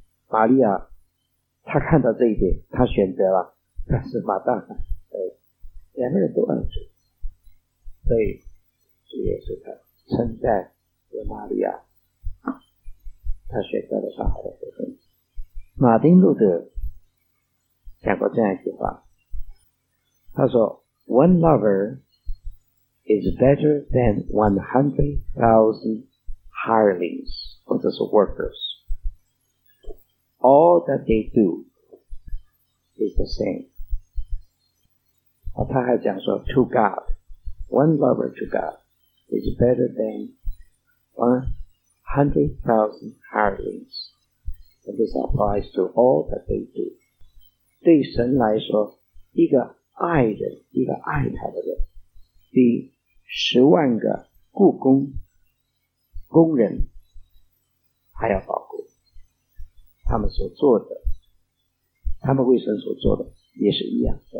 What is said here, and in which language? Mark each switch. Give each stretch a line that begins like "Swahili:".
Chinese: 马利亚他看到这一点，他选择了，但是马大两个人都爱主，所以主耶稣他称赞有玛利亚，他选择了上好的部分。马丁路德讲过这样一句话，他说
English: One lover is better than 100,000 hirelings
Chinese: 或者是
English: workers， All that they dois the same。
Chinese: 他还讲说
English: to God， one lover to God is better than 100,000 hirelings， and this applies to all that they do。
Chinese: 对神来说，一个爱人，一个爱他的人，比十万个雇工工人还要宝贵。他们所做的，他们为神所做的也是一样。